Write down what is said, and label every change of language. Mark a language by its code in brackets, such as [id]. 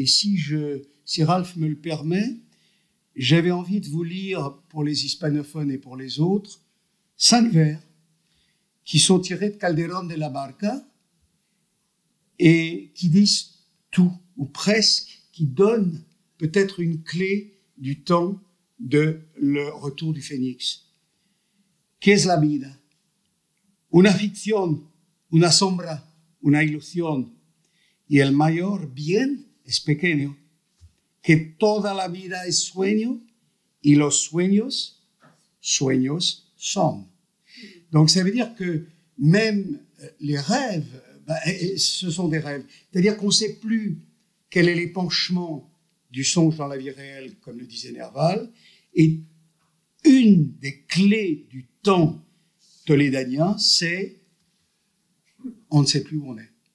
[fr] Et si Ralph me le permet, j'avais envie de vous lire, pour les hispanophones et pour les autres, 5 vers qui sont tirés de Calderón de la Barca et qui disent tout, ou presque, qui donnent peut-être une clé du temps de le retour du phénix. [es] Qu'est-ce la vida? Una ficción, una sombra, una ilusión. Y el mayor bien es pequeño. Que toda la vida es sueño y los sueños, sueños son. [fr] Donc ça veut dire que même les rêves, ce sont des rêves. C'est-à-dire qu'on ne sait plus quel est l'épanchement du songe dans la vie réelle, comme le disait Nerval. Et une des clés du temps tolédanien, c'est on ne sait plus où on est.